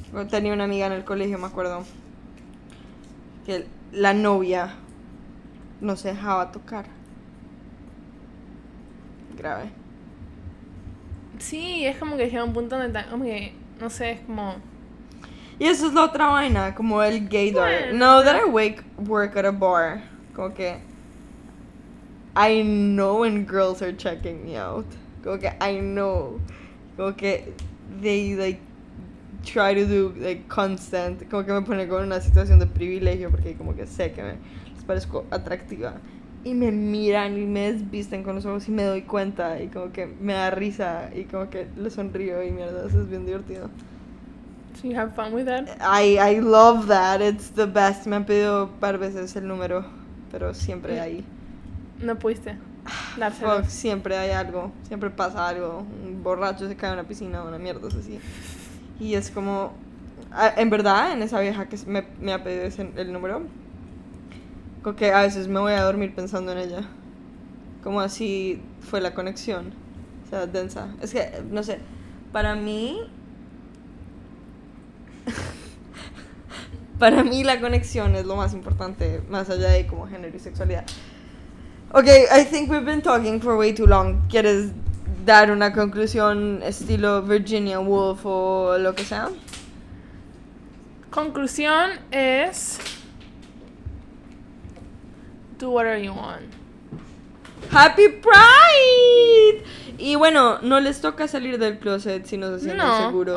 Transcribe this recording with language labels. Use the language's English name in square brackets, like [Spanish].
[Spanish] Tenía una amiga en el colegio, me acuerdo, que la novia no se dejaba tocar. Grave. Sí, es como que llega un punto donde está, como que, no sé, es como... Y eso es la otra vaina, como el gaydar. Bueno, no, [English] that I wake work at a bar. [Spanish] Como que... [English] I know when girls are checking me out. [Spanish] Como que, [English] I know. Como que, they, like, try to do, like, constant. [Spanish] Como que me pone con una situación de privilegio porque como que sé que me les parezco atractiva. Y me miran y me desvisten con los ojos y me doy cuenta. Y como que me da risa y como que le sonrío y mierda, eso es bien divertido. [English] So you have fun with that? I love that, it's the best. [Spanish] Me han pedido un par veces el número, pero siempre ahí. No pudiste dárselo. Fuck, siempre hay algo, siempre pasa algo. Un borracho se cae en una piscina o una mierda, es así. Y es como, en verdad, en esa vieja que me ha pedido ese, el número, como que a veces me voy a dormir pensando en ella. Como así fue la conexión. O sea, densa. Es que, no sé, para mí... Para mí la conexión es lo más importante, más allá de como género y sexualidad. [English] Ok, I think we've been talking for way too long. [Spanish] ¿Quieres dar una conclusión estilo Virginia Woolf o lo que sea? Conclusión es... [English] Do whatever you want. [Spanish] Happy Pride. Y bueno, no les toca salir del closet si no se sienten seguros.